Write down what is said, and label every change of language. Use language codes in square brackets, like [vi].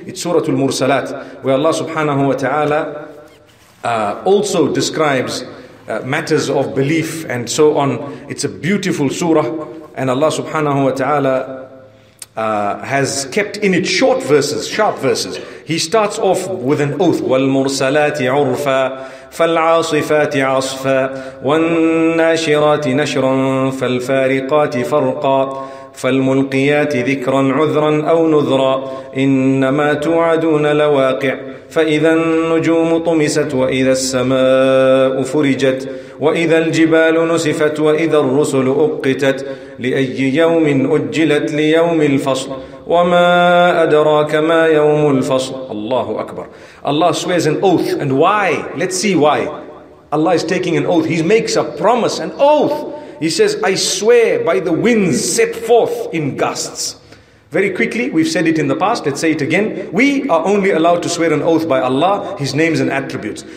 [en] It's Suratul Mursalat, where Allah subhanahu wa ta'ala also describes matters of belief and so on. It's a beautiful surah, and Allah subhanahu wa ta'ala has kept in it short verses, sharp verses. He starts off with an oath. [ar] Wal mursalati urfa, فالعاصفات عصفا والناشرات نشرا فالفارقات فرقا فالملقيات ذكرا عذرا أو نذرا إنما توعدون لواقع فإذا النجوم طمست وإذا السماء فرجت وإذا الجبال نسفت وإذا الرسل أقتت لأي يوم أجلت ليوم الفصل وما أدراك ما يوم الفصل الله أكبر. [en] Allah swears an oath. And why? Let's see why. Allah is taking an oath. He makes a promise, an oath. He says, "I swear by the winds set forth in gusts." Very quickly, we've said it in the past. Let's say it again. We are only allowed to swear an oath by Allah, His names and attributes.